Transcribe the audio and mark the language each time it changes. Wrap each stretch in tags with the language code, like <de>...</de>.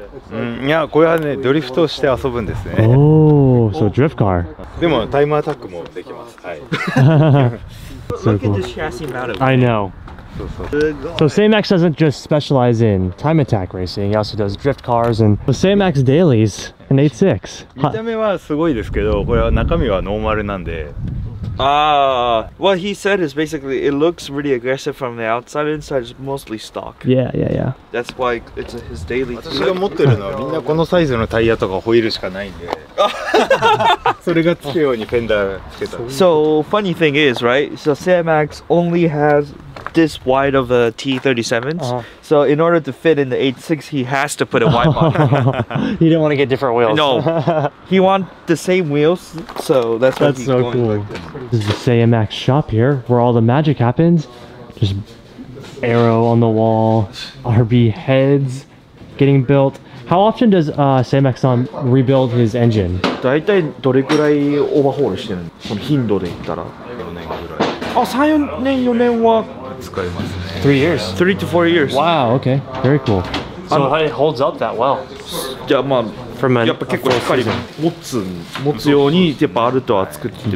<ja>Yeah, こういうね、ドリフトして遊ぶんですね。おお、そう、ドリフトカー。でも、タイムアタックもできます。はい。そう、このシャシーマ</ja> <en>ル。I know。 So Seyamax doesn't just specialize in time attack racing, he also does drift cars and the Seyamax dailies in 86.</en> <ja>見た目はすごいですけど、これは中身はノーマルなんで。</ja> <en>What he said is basically it looks really aggressive from the outside, inside is mostly stock. Yeah, yeah, yeah. That's why it's his daily.</en> <ja>私が持ってるのはみんなこのサイズのタイヤとかホイールしかないんで。それがつくようにフェンダーつけた。</ja> <en>So funny thing is, right? So Seyamax only has this wide of a T37s. So in order to fit in the 86, he has to put a wide body. He didn't want to get different wheels. No, he want the same wheels. So that's what he's so going cool. Like this. This is the Seyamax shop here, where all the magic happens. Just aero on the wall, RB heads getting built. How often does Seyamax San rebuild his engine?</en> <ja>大体どれくらいオーバーホールしてるの？その頻度で言ったら。 4年ぐらい。あ、3年、4年は。使いますね。</ja> <en>3 years. 3 to 4 years. Wow, okay. Very cool. So it holds up that well.</en> <ja>いや、まあ、</ja> <en>from</en> <ja>やっぱ結構しっかり持つようにやっぱあると熱くって</ja>